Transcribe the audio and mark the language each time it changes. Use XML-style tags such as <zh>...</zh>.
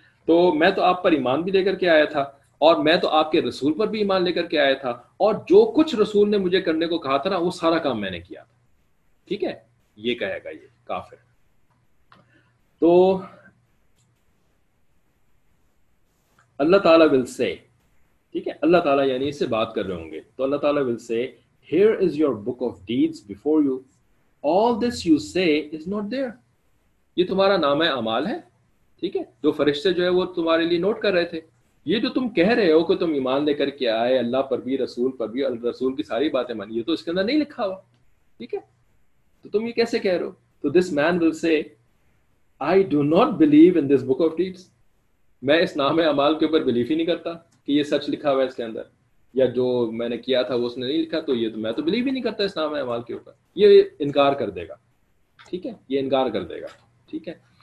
<ur>تو میں تو آپ پر ایمان بھی لے کر کے آیا تھا, اور میں تو آپ کے رسول پر بھی ایمان لے کر کے آیا تھا, اور جو کچھ رسول نے مجھے کرنے کو کہا تھا نا وہ سارا کام میں نے کیا تھا, ٹھیک ہے. یہ کہے گا یہ کافر. تو اللہ تعالیٰ</ur> <en>will سے,</en> <ur>ٹھیک ہے, اللہ تعالیٰ یعنی اس سے بات کر رہے ہوں گے, تو اللہ تعالیٰ ول سے</ur> <en>Here is your book of deeds before you. All this you say is not there.</en> <ur>یہ تمہارا نام اعمال ہے, ٹھیک ہے, جو فرشتے جو ہے وہ تمہارے لیے نوٹ کر رہے تھے. یہ جو تم کہہ رہے ہو کہ تم ایمان لے کر کے آئے اللہ پر بھی, رسول پر بھی, رسول کی ساری باتیں مانی, یہ تو اس کے اندر نہیں لکھا ہوا, ٹھیک ہے, تو تم یہ کیسے کہہ رہے ہو. تو</ur> <en>this man will سے I do not believe in this book of deeds,</en> <ur>میں اس نام اعمال کے اوپر بلیو ہی نہیں کرتا کہ یہ سچ لکھا ہوا ہے اس کے اندر, یا جو میں نے کیا تھا وہ اس نے نہیں لکھا, تو یہ تو میں تو بلیو ہی نہیں کرتا اس نام اعمال کے اوپر, یہ انکار کر دے گا, ٹھیک ہے, یہ انکار کر دے گا, ٹھیک ہے.</ur>